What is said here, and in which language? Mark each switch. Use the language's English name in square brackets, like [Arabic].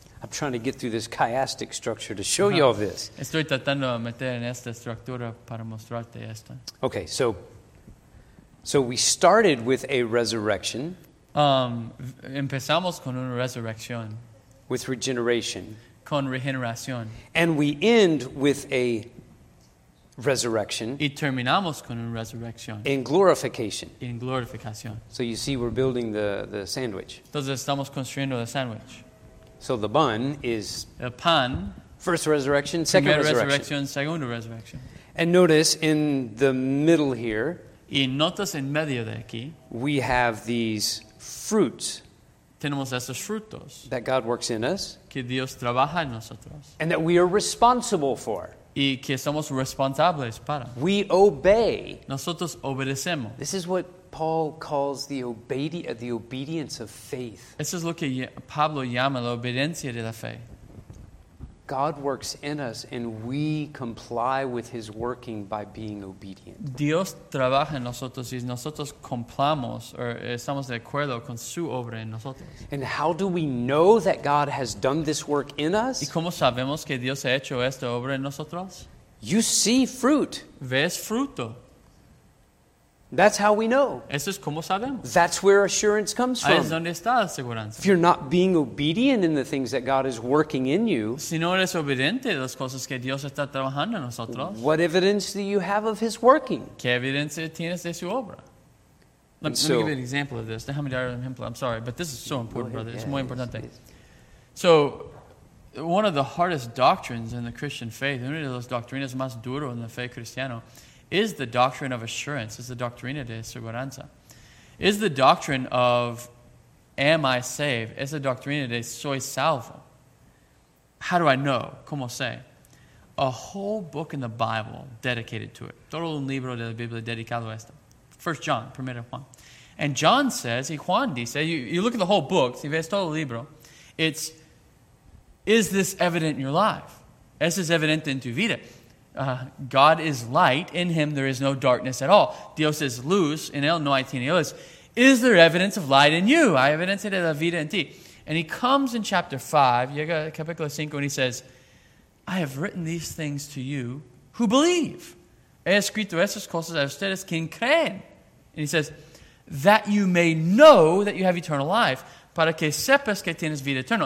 [English] I'm trying to get through this chiastic structure to show you all this. [Spanish] Estoy tratando de meter en esta estructura para mostrarte esto. [English] Okay, so we started with a resurrection. [Spanish] Empezamos con una resurrección. [English] With regeneration. [Spanish] Con regeneración. [English] And we end with a resurrection. [Spanish] Y terminamos con una resurrección. [English] In glorification. [Spanish] En glorificación. [English] So you see, we're building the sandwich. [Spanish] Entonces estamos construyendo el sandwich. [English] So the bun is [Spanish] el pan [English] First resurrection, second [Spanish] Primera [English] resurrection. [Spanish] Resurrección, segunda resurrección. [English] And notice in the middle here, [Spanish] y notas en medio de aquí, [English] we have these fruits. [Spanish] Tenemos esos frutos [English] that God works in us, [Spanish] que Dios trabaja en nosotros, [English] and that we are responsible for. [Spanish] Y que somos responsables para. [English] We obey. [Spanish] Nosotros obedecemos. [English] This is what Paul calls the obedience of faith. [Spanish] Eso es lo que Pablo llama la obediencia de la fe. [English] God works in us and we comply with his working by being obedient. [Spanish] Dios trabaja en nosotros y nosotros cumplamos o estamos de acuerdo con su obra en nosotros. [English] And how do we know that God has done this work in us? [Spanish] ¿Y cómo sabemos que Dios ha hecho esta obra en nosotros? [English] You see fruit. [Spanish] ¿Ves fruto? [English] That's how we know. [Spanish] Eso es como sabemos. [English] That's where assurance comes from. [Spanish] Ahí es donde está la seguridad. [English] If you're not being obedient in the things that God is working in you, [Spanish] si no eres obediente a las cosas que Dios está trabajando en nosotros, [English] what evidence do you have of his working? [Spanish] ¿Qué evidencia tienes de su obra? [English] Let me give you an example of this. [Spanish] Déjame dar un ejemplo. [English] I'm sorry, but this is so important, brother. Yeah, it's [Spanish] muy importante. [English] So, one of the hardest doctrines in the Christian faith, [Spanish] una de las doctrinas más duras en la fe cristiana, [English] is the doctrine of assurance, is the [Spanish] doctrina de seguranza. [English] Is the doctrine of am I saved, is the [Spanish] doctrina de soy salvo. [English] How do I know? [Spanish] ¿Cómo sé? [English] A whole book in the Bible dedicated to it. [Spanish] Todo un libro de la Biblia dedicado a esto. [English] 1 John, 1 Juan. And John says, [Spanish] y Juan dice, [English] you look at the whole book, [Spanish] si ves todo el libro, [English] it's, is this evident in your life? [Spanish] ¿Es [English] this evident [Spanish] en tu vida? [English] God is light, in him there is no darkness at all. [Spanish] Dios es luz, en él no hay tinieblas. [English] Is there evidence of light in you? [Spanish] Hay evidencia de la vida en ti. [English] And he comes in chapter 5, [Spanish] llega a capítulo 5, [English] and he says, I have written these things to you who believe. [Spanish] He escrito esas cosas a ustedes quien creen. [English] And he says, that you may know that you have eternal life, [Spanish] para que sepas que tienes vida eterna.